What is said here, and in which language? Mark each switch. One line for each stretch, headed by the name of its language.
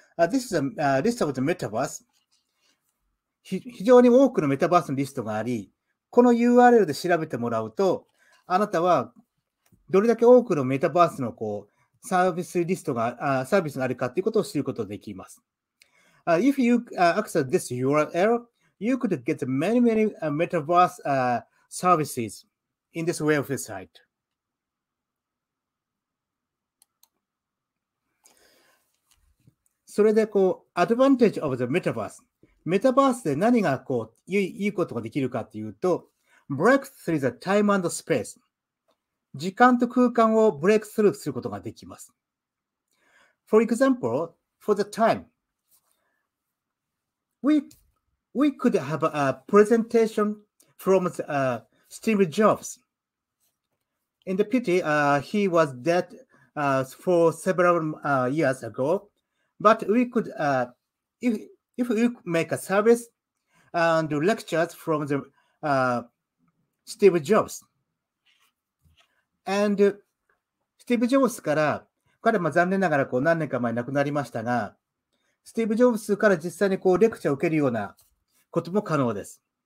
English: This is a list of the metaverse.
Japanese: 非常に多くのメタバースのリストがあり、この URL で調べてもらうと、あなたはどれだけ多くのメタバースのこうサービスリストが、サービスがあるかということを知ることができます。
English: If you access this URL, you could get many, many metaverse services in this website.
Japanese: それでこう、
English: advantage of the metaverse。
Japanese: メタバースで何がこう、いいことができるかというと、
English: break through the time and space。
Japanese: 時間と空間をブレイクスルーすることができます。
English: For example, for the time, we could have a presentation from Steve Jobs. In the pity, he was dead for several years ago, but we could, if we make a service and lectures from the Steve Jobs,And Steve Jobs
Japanese: から、彼は残念ながらこう何年か前亡くなりましたが、Steve Jobs から実際にこうレクチャーを受けるようなことも可能です。